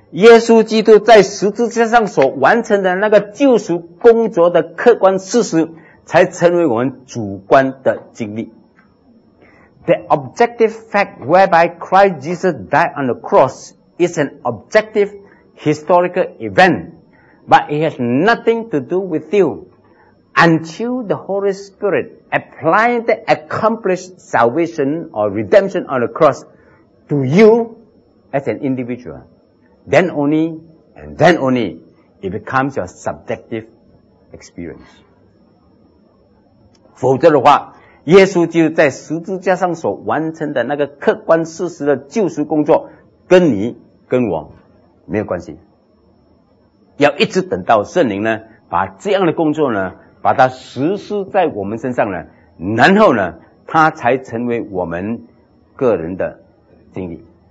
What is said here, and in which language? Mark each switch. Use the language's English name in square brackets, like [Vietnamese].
[Chinese] 耶稣基督在十字架上所完成的那个救赎工作的客观事实，才成为我们主观的经历。 [English] The objective fact whereby Christ Jesus died on the cross is an objective historical event, but it has nothing to do with you until the Holy Spirit applied the accomplished salvation or redemption on the cross to you as an individual. Then only, and then only, it becomes your subjective experience. [Chinese] 否则的话，耶稣基督在十字架上所完成的那个客观事实的救赎工作，跟你跟我没有关系。要一直等到圣灵呢，把这样的工作呢，把它实施在我们身上呢，然后呢，它才成为我们个人的经历。